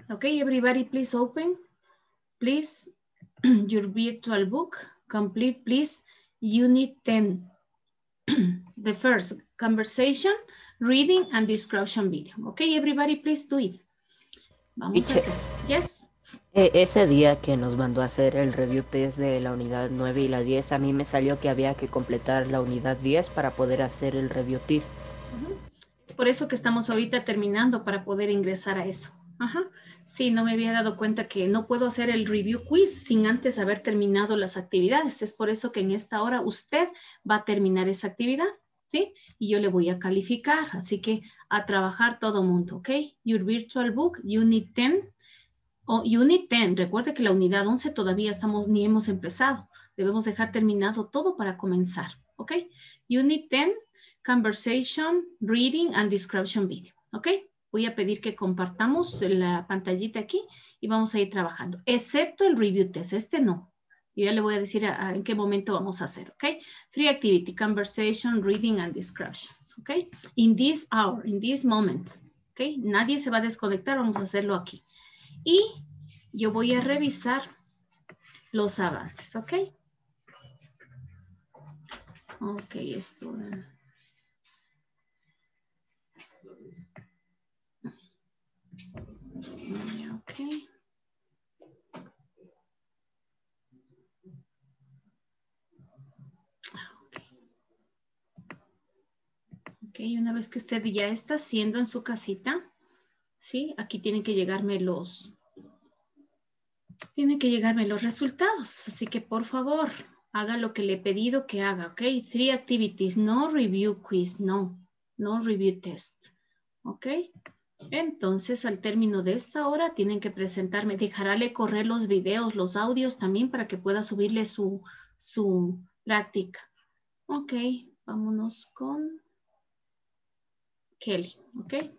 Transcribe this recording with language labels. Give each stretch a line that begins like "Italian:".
English: Okay, everybody, please open, please, your virtual book. Complete, please, unit 10. The first, conversation, reading, and description video. Okay, everybody, please do it.
Spanish: Vamos a hacer. Yes. Ese día que nos mandó a hacer el review test de la unidad 9 y la 10, a mí me salió que había que completar la unidad 10 para poder hacer el review test. Por eso que estamos ahorita terminando para poder ingresar a eso. Ajá. Sí, no me había dado cuenta que no puedo hacer el review quiz sin antes haber terminado las actividades. Es por eso que en esta hora usted va a terminar esa actividad, ¿sí? Y yo le voy a calificar. Así que a trabajar todo mundo, ¿ok?
English: Your virtual book, unit 10.
Spanish: O unit 10, recuerde que la unidad 11 todavía estamos ni hemos empezado. Debemos dejar terminado todo para comenzar, ¿ok? Unit 10.
English: Conversation, reading, and description video. ¿Ok?
Spanish: Voy a pedir que compartamos la pantallita aquí y vamos a ir trabajando. Excepto el review test. Este no. Yo ya le voy a decir en qué momento vamos a hacer.
English: ¿Ok? Three activity. Conversation, reading, and descriptions. ¿Ok? In this hour, in this moment.
Spanish: ¿Ok? Nadie se va a desconectar. Vamos a hacerlo aquí. Y yo voy a revisar los avances. ¿Ok?
English: Ok, student. Okay.
Spanish: Okay, una vez que usted ya está haciendo en su casita, sí, aquí tienen que llegarme los resultados, así que por favor, haga lo que le he pedido que haga, okay?
English: Three activities, no review quiz, no. No review test. ¿Ok?
Spanish: Entonces, al término de esta hora, tienen que presentarme. Dejaréle correr los videos, los audios también para que pueda subirle su práctica. Ok, vámonos con Kelly. ¿Ok?